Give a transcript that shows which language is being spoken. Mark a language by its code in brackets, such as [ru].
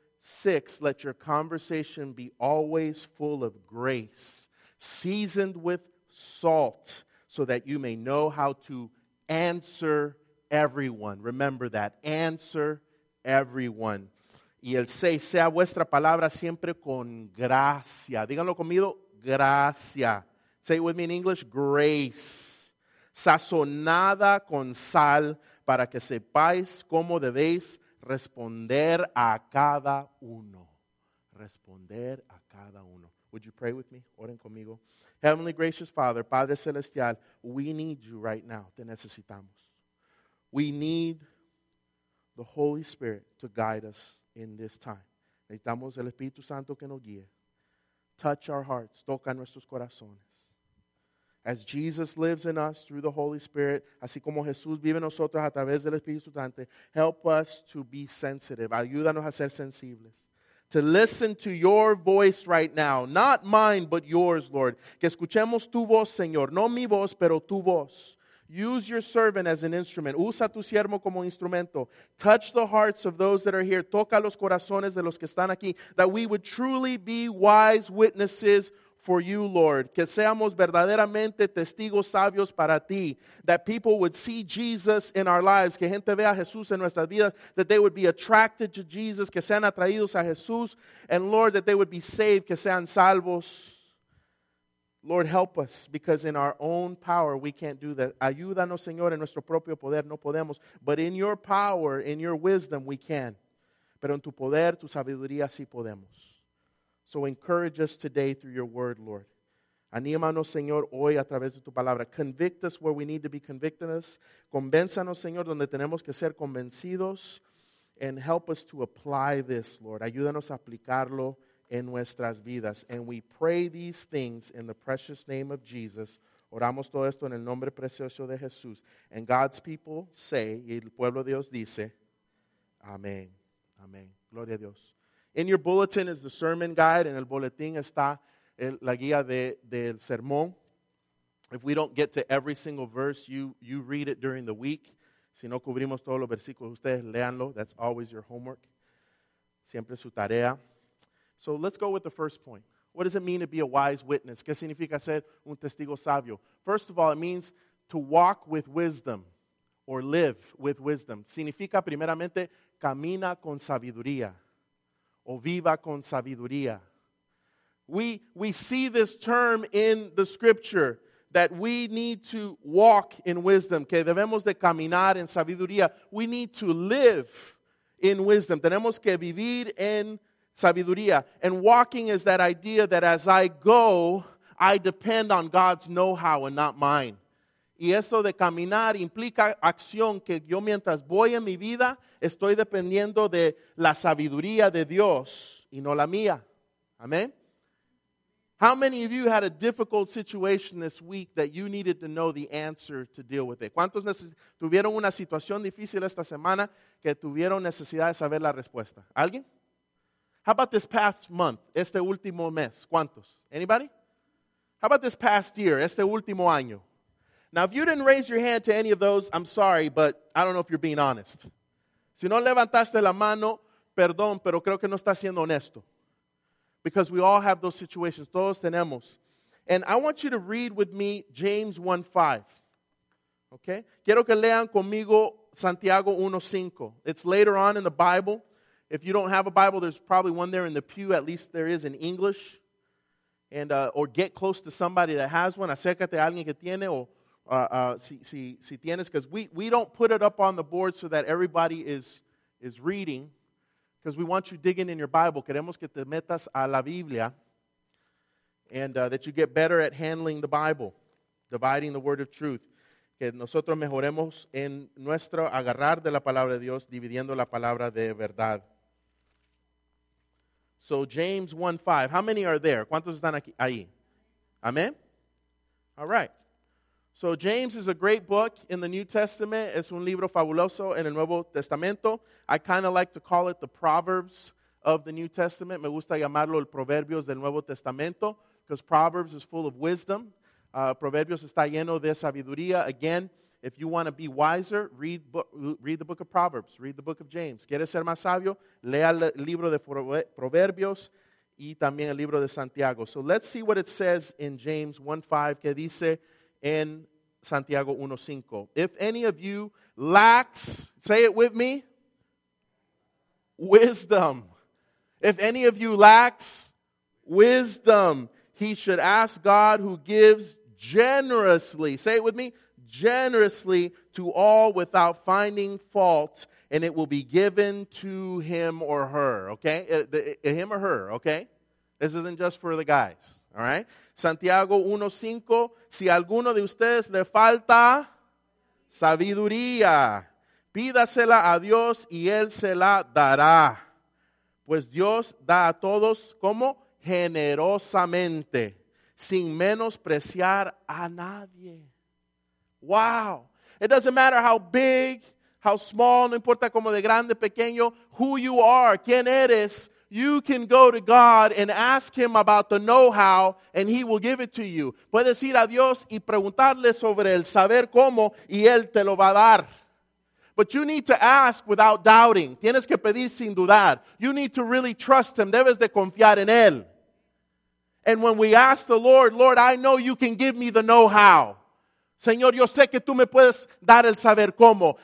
[en] 6, let your conversation be always full of grace, seasoned with salt, so that you may know how to answer everyone. Remember that. Answer everyone. [es] Y el 6, sea vuestra palabra siempre con gracia. Díganlo conmigo, gracia. [en] Say it with me in English, grace. [es] Sazonada con sal para que sepáis cómo debéis responder a cada uno. Responder a cada uno. [en] Would you pray with me? [es] Oren conmigo. [en] Heavenly gracious Father, [es] Padre Celestial, [en] we need you right now. [es] Te necesitamos. [en] We need the Holy Spirit to guide us in this time. [es] Necesitamos el Espíritu Santo que nos guíe. [en] Touch our hearts. [es] Toca nuestros corazones. [en] As Jesus lives in us through the Holy Spirit, [es] así como Jesús vive en nosotros a través del Espíritu Santo, [en] help us to be sensitive. [es] Ayúdanos a ser sensibles. [en] To listen to your voice right now. Not mine, but yours, Lord. [es] Que escuchemos tu voz, Señor. No mi voz, pero tu voz. [en] Use your servant as an instrument. [es] Usa tu siervo como instrumento. [en] Touch the hearts of those that are here. [es] Toca los corazones de los que están aquí. [en] That we would truly be wise witnesses for you, Lord. [es] Que seamos verdaderamente testigos sabios para ti. [en] That people would see Jesus in our lives. [es] Que gente vea a Jesús en nuestras vidas. [en] That they would be attracted to Jesus. [es] Que sean atraídos a Jesús. [en] And Lord, that they would be saved. [es] Que sean salvos. [en] Lord, help us, because in our own power we can't do that. [es] Ayúdanos, Señor, en nuestro propio poder no podemos. [en] But in your power, in your wisdom, we can. [es] Pero en tu poder, tu sabiduría, sí podemos. [en] So encourage us today through your word, Lord. [es] Anímanos, Señor, hoy a través de tu palabra. [en] Convict us where we need to be convicted. [es] Convénzanos, Señor, donde tenemos que ser convencidos. [en] And help us to apply this, Lord. [es] Ayúdanos a aplicarlo en nuestras vidas. [en] And we pray these things in the precious name of Jesus. [es] Oramos todo esto en el nombre precioso de Jesús. [en] And God's people say, [es] y el pueblo de Dios dice, amén. Amén. Gloria a Dios. [en] In your bulletin is the sermon guide. [es] En el boletín está la guía del sermón. [en] If we don't get to every single verse, you read it during the week. [es] Si no cubrimos todos los versículos, ustedes léanlo. [en] That's always your homework. [es] Siempre su tarea. [en] So let's go with the first point. What does it mean to be a wise witness? [es] ¿Qué significa ser un testigo sabio? [en] First of all, it means to walk with wisdom or live with wisdom. [es] Significa primeramente camina con sabiduría o viva con sabiduría. [en] We see this term in the scripture that we need to walk in wisdom, [es] que debemos de caminar en sabiduría. [en] We need to live in wisdom. [es] Tenemos que vivir en sabiduría. [en] And walking is that idea that as I go, I depend on God's know-how and not mine. [es] Y eso de caminar implica acción, que yo mientras voy en mi vida, estoy dependiendo de la sabiduría de Dios y no la mía. [en] Amen. How many of you had a difficult situation this week that you needed to know the answer to deal with it? [es] ¿Cuántos tuvieron una situación difícil esta semana que tuvieron necesidad de saber la respuesta? ¿Alguien? [en] How about this past month, [es] este último mes? ¿Cuántos? [en] Anybody? How about this past year, [es] este último año? [en] Now, if you didn't raise your hand to any of those, I'm sorry, but I don't know if you're being honest. [es] Si no levantaste la mano, perdón, pero creo que no estás siendo honesto. [en] Because we all have those situations. [es] Todos tenemos. [en] And I want you to read with me James 1:5. Okay? [es] Quiero que lean conmigo Santiago 1:5. [en] It's later on in the Bible. If you don't have a Bible, there's probably one there in the pew. At least there is in English. And or get close to somebody that has one. [es] Acércate a alguien que tiene o si tienes. [en] Because we don't put it up on the board so that everybody is reading. Because we want you digging in your Bible. [es] Queremos que te metas a la Biblia. [en] And that you get better at handling the Bible. Dividing the word of truth. [es] Que nosotros mejoremos en nuestro agarrar de la palabra de Dios. Dividiendo la palabra de verdad. [en] So James 1:5, how many are there? [es] ¿Cuántos están aquí? Ahí. [en] Amen? All right. So James is a great book in the New Testament. [es] Es un libro fabuloso en el Nuevo Testamento. [en] I kind of like to call it the Proverbs of the New Testament. [es] Me gusta llamarlo el Proverbios del Nuevo Testamento, [en] because Proverbs is full of wisdom. [es] Proverbios está lleno de sabiduría. [en] Again, if you want to be wiser, read the book of Proverbs. Read the book of James. [es] ¿Quieres ser más sabio? Lea el libro de Proverbios y también el libro de Santiago. [en] So let's see what it says in James 1:5. [es] ¿Qué dice en Santiago 1:5. [en] If any of you lacks, say it with me, wisdom. If any of you lacks wisdom, he should ask God who gives generously. Say it with me, generously to all without finding fault, and it will be given to him or her, okay? Him or her, okay? This isn't just for the guys, all right? [es] Santiago 1:5, si alguno de ustedes le falta sabiduría, pídasela a Dios y él se la dará. Pues Dios da a todos, ¿cómo? Generosamente, sin menospreciar a nadie. Wow. [en] It doesn't matter how big, how small, [es] no importa como de grande, pequeño, [en] who you are, [es] quién eres, [en] you can go to God and ask him about the know-how, and he will give it to you. [es] Puedes ir a Dios y preguntarle sobre el saber cómo, y él te lo va a dar. [en] But you need to ask without doubting. [es] Tienes que pedir sin dudar. [en] You need to really trust him. [es] Debes de confiar en él. [en] And when we ask the Lord, Lord, I know you can give me the know-how. [es] Señor, yo sé que tú me puedes dar el saber cómo.